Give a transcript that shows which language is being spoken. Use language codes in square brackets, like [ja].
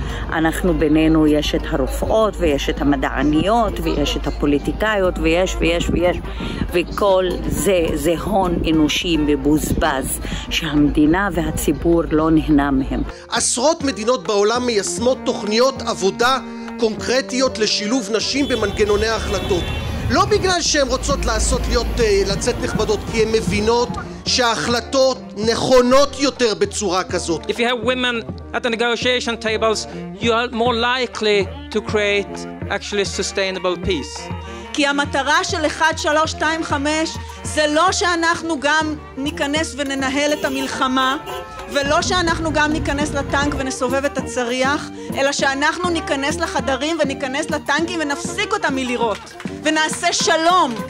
[he] אנחנו בינינו, יש את הרופאות ויש את המדעניות ויש את הפוליטיקאיות ויש ויש ויש, וכל זה זה הון אנושי מבוזבז שהמדינה והציבור לא נהנה מהם. עשרות מדינות בעולם מיישמות תוכניות עבודה קונקרטיות לשילוב נשים במנגנוני ההחלטות, לא בגלל שהן רוצות לעשות להיות לצאת נכבדות, כי הן מבינות שההחלטות נכונות יותר בצורה כזאת. [en] If you have women at the negotiation tables, you are more likely to create actually sustainable peace. [he] כי המטרה של 1325 זה לא שאנחנו גם ניכנס וננהל את המלחמה, ולא שאנחנו גם ניכנס לטנק ונסובב את הצריח, אלא שאנחנו ניכנס לחדרים וניכנס לטנקים ונפסיק אותם מלירות, ונעשה שלום.